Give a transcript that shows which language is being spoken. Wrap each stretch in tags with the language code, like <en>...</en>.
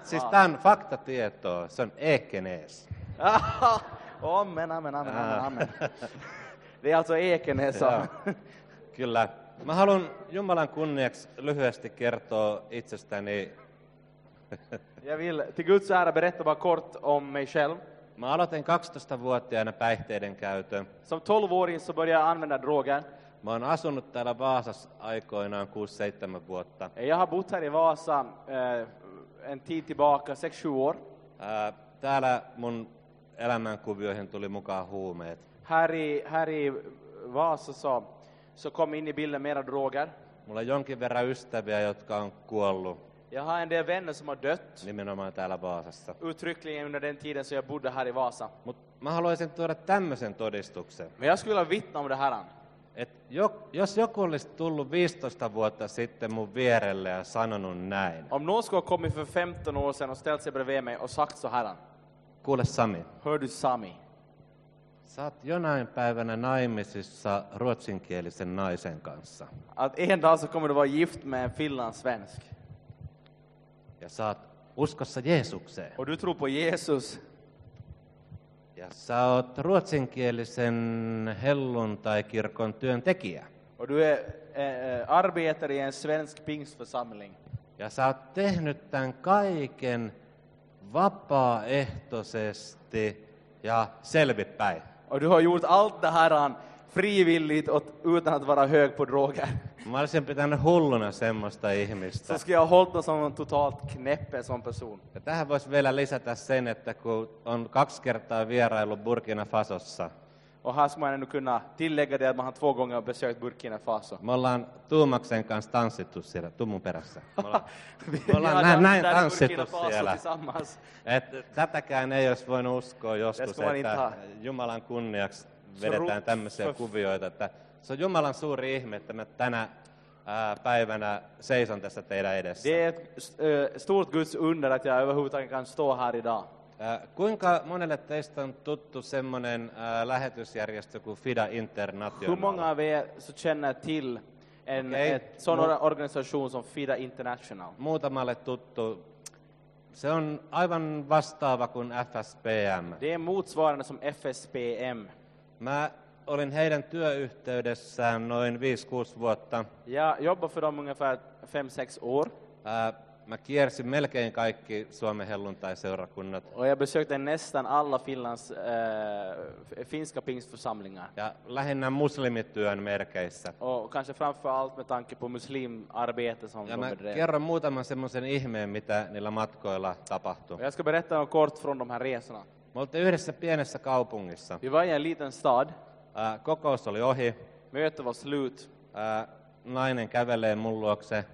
<fi>Tämä on faktatietoa, se on Ekenäs.</fi> <sv>Amen. Det är alltså Ekenäs. Kyllä.</sv> <fi>Mä haluan Jumalan kunniaksi lyhyesti kertoa itsestäni.</fi> <sv>Jag vill till Guds ära berätta bara kort om mig själv.</sv> <fi>Mä aloitin 12-vuotiaana päihteiden käytön.</fi> <sv>Som</sv> <fi>12-vuotias</fi> <sv>så började jag använda droger.</sv> <fi>Mä oon asunut täällä Vaasassa aikoinaan 6-7 vuotta.</fi> <sv>Jag har bott här i Vaasa en tid tillbaka, 6-7 år.</sv> <fi>Täällä mun elämänkuvioihin tuli mukaan huumeet.</fi> <sv>Här i Vaasa så kom in i bilden mera droger.</sv> <fi>Mulla on jonkin verran ystäviä, jotka on kuollut.</fi> <sv>Jag har en del vänner som har dött.</sv> <fi>Nimenomaan täällä Vaasassa.</fi> <sv>Uttryckligen under den tiden som jag bodde här i Vasa.</sv> <fi>Mut mä haluaisin tuoda tämmösen todistuksen.</fi> <sv>Men jag skulle vittna om det här.</sv> <fi>Et jos joku olisi tullut 15 vuotta sitten mun vierelle ja sanonut näin.</fi> <sv>Om någon skulle ha kommit för 15 år sedan och ställt sig bredvid mig och sagt så här.</sv> <fi>Kuule Sami.</fi> <sv>Hör du Sami.</sv> <fi>Sä oot jonain päivänä naimisissa ruotsinkielisen naisen kanssa.</fi> <sv>Att en dag så kommer du vara gift med en finlandssvensk.</sv> <fi>Ja sä oot uskossa Jeesukseen.</fi> <sv>Och du tror på Jesus.</sv> <fi>Ja sä oot ruotsinkielisen helluntaikirkon työntekijä.</fi> <sv>Och du är arbetare i en svensk pingstförsamling.</sv> <fi>Ja sä oot tehnyt tämän kaiken vapaaehtoisesti ja selvipäin.</fi> <sv>Och du har gjort allt det här frivilligt utan att vara hög på droger.</sv> <fi>Mä olisin pitänyt hulluna semmoista ihmistä.</fi> <sv>Så ska jag hållt någon som totalt knäppe som person.</sv> <fi>Ja tähän voisi vielä lisätä sen, että kun on kaksi kertaa vierailu Burkina Fasossa.</fi> <sv>Och här ska man ännu kunna tillägga det att man har två gånger besökt Burkina Faso.</sv> <fi>Me ollaan Tuumaksen kanssa tanssittu siellä, tuu mun perässä. Me ollaan näin tanssittu siellä. Tätäkään ei olisi voinut uskoa joskus, että Jumalan kunniaksi vedetään tämmöisiä kuvioita, että se on Jumalan suuri ihme, että mä tänä päivänä seison tässä teidän edessä.</fi> <sv>Det är ett stort Guds under att jag överhuvudtaget kan stå här idag.</sv> <fi>Kuinka monelle teistä on tuttu semmoinen lähetysjärjestö kuin FIDA International?</fi> <sv>Hur många av er så känner till en sån organisation som FIDA International?</sv> <fi>Muutamalle tuttu. Se on aivan vastaava kuin FSPM.</fi> <sv>Det är motsvarande som FSPM.</sv> <fi>Mä olin heidän työyhteydessään noin 5-6 vuotta.</fi> <sv>Ja jobbade för dem ungefär 5-6 år.</sv> <fi>Mä kiersin melkein kaikki Suomen helluntaiseurakunnat.</fi> <sv>Och jag besökte nästan alla Finlands finska pingstförsamlingar.</sv> <fi>Ja lähinnä muslimityön merkeissä.</fi> <sv>Och kanske framför allt med tanke på muslimarbete som de bedrev.</sv> <fi>Ja mä kerron muutaman semmoisen ihmeen, mitä niillä matkoilla tapahtui.</fi> <sv>Och jag ska berätta något kort från de här resorna.</sv> <fi>Me oltiin yhdessä pienessä kaupungissa.</fi> <sv>Vi var i en liten stad.</sv> <fi>Kokous oli ohi.</fi> <sv>Möte var slut.</sv> <fi>Nainen kävelee mun luokse.</fi>